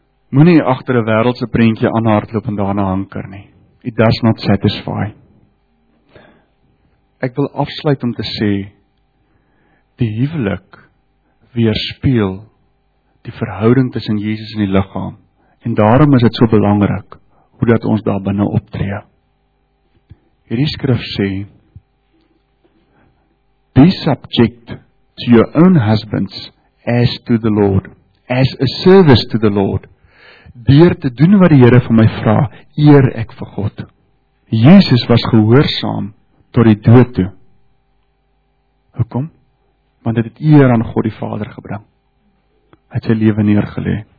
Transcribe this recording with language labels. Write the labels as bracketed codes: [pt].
[af] Moenie agter 'n wêreldse prentjie aanhardloop en daarna hanker nie. [en] It does not satisfy. [af] Ek wil afsluit om te sê die huwelik weerspieël die verhouding tussen Jesus en die liggaam. En daarom is dit so belangrik hoe dat ons daar binne optree. Hierdie skrif sê: [en] Be subject to your own husbands as to the Lord, as a service to the Lord. [af] Deur te doen wat die Here van my vra, eer ek vir God. Jesus was gehoorsaam tot die dood toe. Hoekom? Want dit het eer aan God die Vader gebring. Hy het sy lewe neergelê.